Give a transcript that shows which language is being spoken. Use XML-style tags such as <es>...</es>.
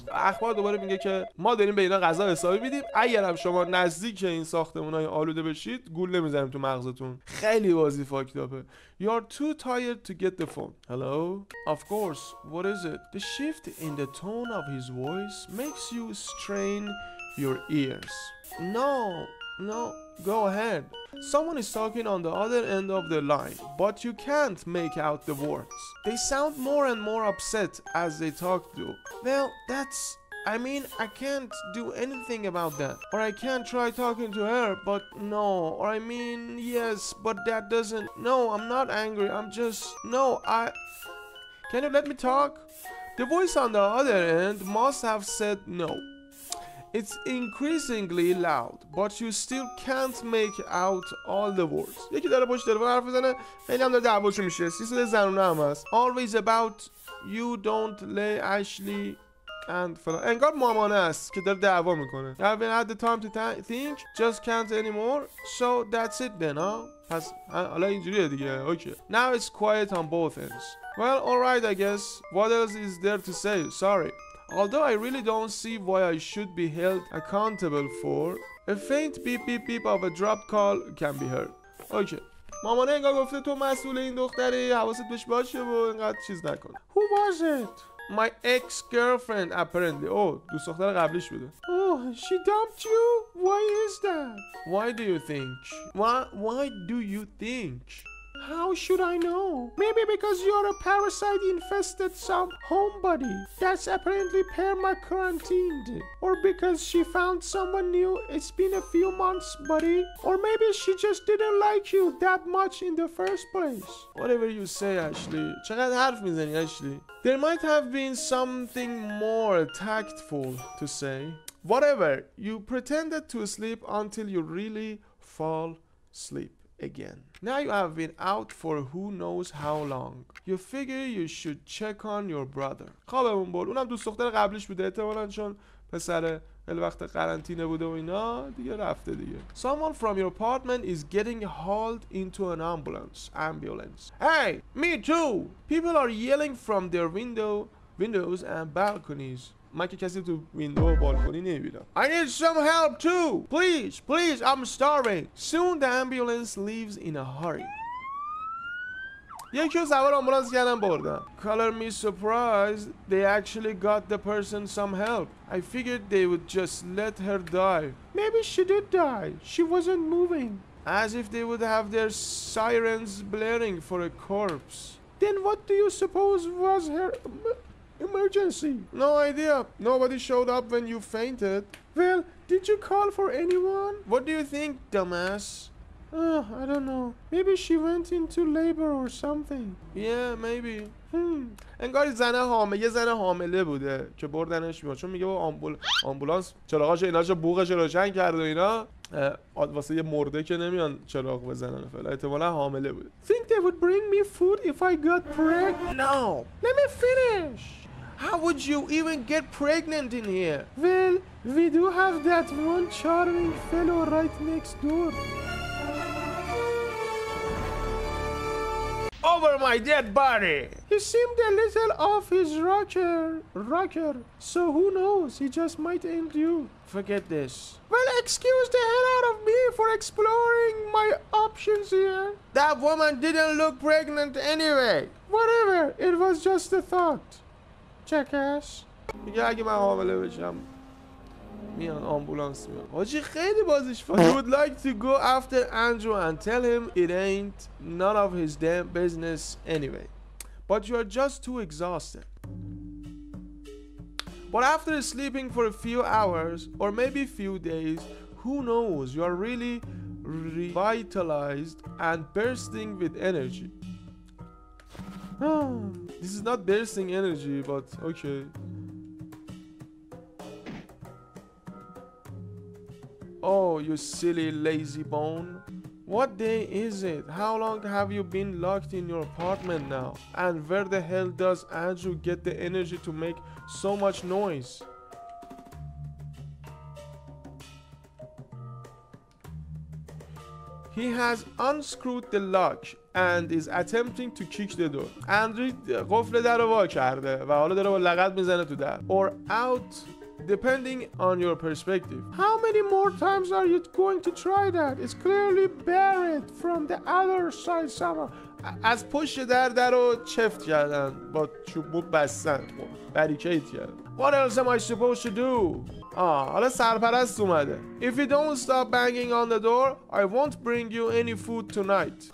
<fa>اخبار دوباره میگه که ما داریم به اینا غذا حسابی میدیم. اگرم شما نزدیک این ساختمونای آلوده بشید گول نمیزنیم تو مغزتون. خیلی بازی فاکتاپه.</fa> <en>You are too tired to get the phone. Hello? Of course. What is it? The shift in the tone of his voice makes you strain your ears. No, go ahead. Someone is talking on the other end of the line, but you can't make out the words. They sound more and more upset as they talk to you. Well, I can't do anything about that. Or I can try talking to her, but no. Or I mean, yes, but that doesn't... No, I'm not angry, I'm just... No, I... Can you let me talk? The voice on the other end must have said no. It's increasingly loud, but you still can't make out all the words.</en> <fa>یکی داره پشت تلفن حرف میزنه، خیلی هم داره دعواشو میشه. سیستم زنونه هم هست.</fa> <en>Always about you don't lay Ashley. and</en> <fa>فلان. انگار مامانه است که داره دعوا میکنه.</fa> <en>I haven't had the time to think, just can't anymore. So that's it then, huh?</en> <fa>پس حالا اینجوریه دیگه.</fa> <en>Okay. Now it's quiet on both ends. Well, alright, I guess. What else is there to say? Sorry. Although I really don't see why I should be held accountable for, a faint beep beep beep of a dropped call can be heard. Okay.</en> <fa>مامانه انگار گفته تو مسئول این دختری، حواست بهش باشه و اینقدر چیز نکن.</fa> <en>Who was it? My ex-girlfriend apparently. Oh,</en> <fa>دوست دختر قبلیش بوده.</fa> <en>Oh, she dumped you? Why is that? Why do you think? Why do you think? How should I know? Maybe because you're a parasite-infested some homebody that's apparently perma-quarantined. Or because she found someone new, it's been a few months, buddy. Or maybe she just didn't like you that much in the first place. Whatever you say, Ashley.</en> <fa>چقدر حرف میزنی,</fa> <en>Ashley? There might have been something more tactful to say. Whatever, you pretended to sleep until you really fall asleep. Again. Now you have been out for who knows how long. You figure you should check on your brother.</en> <fa>خوابمون برد. اونم دوست دختر قبلیش بوده احتمالاً چون پسر خیلی وقت قرنطینه بوده و اینا دیگه رفته دیگه.</fa> <en>Someone from your apartment is getting hauled into an ambulance. Hey, me too. People are yelling from their windows and balconies.</en> <fa>من که کسی تو ویندو و بالکونی نمیبینم.</fa> <en>I need some help too. Please, I'm starving. Soon the ambulance leaves in a hurry.</en> <fa>یکی رو سوار آمبولانس کردم بردم.</fa> <en>Color me surprised, they actually got the person some help. I figured they would just let her die. Maybe she did die. She wasn't moving. As if they would have their sirens blaring for a corpse. Then what do you suppose was her... emergency? No idea. Nobody showed up when you fainted. Well, did you call for anyone? What do you think, dumbass? I don't know. Maybe she went into labor or something. Yeah, maybe.</en> <fa>انگار یه زن حامله بوده که بردنش بیمار. چون میگه با آمبولانس چراغاش اینا چه بوغش روشن کرد و اینا. واسه یه مرده که نمیان چراغ بزنن فعلا. احتمالاً حامله بوده.</fa> <en>Think they would bring me food if I got pregnant? No. Let me finish. How would you even get pregnant in here? Well, we do have that one charming fellow right next door. Over my dead body! He seemed a little off his rocker. So who knows, he just might end you. Forget this. Well, excuse the hell out of me for exploring my options here. That woman didn't look pregnant anyway. Whatever, it was just a thought. چکش</en> <fa>میگه اگه من حامله بشم میان آمبولانس میان. حاجی خیلی بازیش فاید.</fa> <en>Would like to go after Andrew and tell him it ain't none of his damn business anyway. But you are just too exhausted. But after sleeping for a few hours or maybe few days, who knows, you are really revitalized and bursting with energy. This is not bursting energy, but okay. Oh, you silly lazy bone. What day is it? How long have you been locked in your apartment now? And where the hell does Andrew get the energy to make so much noise? He has unscrewed the lock and is attempting to kick the door.</en> <fa>Andrew قفل در رو وا کرده و حالا داره با لگد میزنه تو در.</fa> <en>Or out, depending on your perspective. How many more times are you going to try that? It's clearly barred from the other side somehow.</en> <fa>از پشت در رو چفت کردن با چوب بستن. بریکیت کردن.</fa> <en>What else am I supposed to do?</en> <fa>حالا سرپرست اومده.</fa> <en>If you don't stop banging on the door, I won't bring you any food tonight.</en>